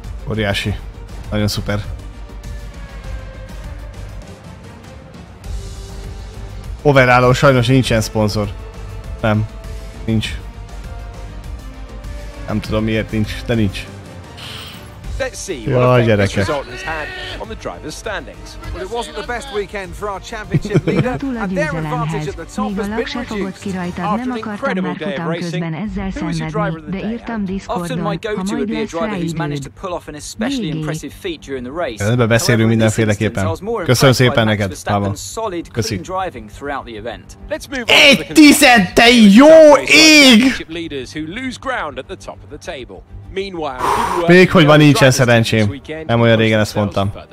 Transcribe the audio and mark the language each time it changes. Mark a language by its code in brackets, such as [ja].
[hu] Óriási. Nagyon szuper. Overallon sajnos nincsen szponzor. Nem. Nincs. Nem tudom miért nincs, de nincs. [en] Let's see what the result has had on the driver's standings. Well, it wasn't the best weekend for our championship leader, and their advantage at the top has been reduced. After an incredible day of racing, who is the driver of the day? Often my go-to would be a driver who's managed to pull off an especially impressive feat during the race. [hu] Ebben beszélünk mindenféleképpen. Köszönöm szépen neked, Pavel. [en] Solid, clean driving throughout the event. Let's move on. [hu] Egy tized, de jó ég! [en] Leaders who lose ground at the top of the table. [hu] Még hogy van, nincsen szerencsém. Nem olyan régen ezt mondtam.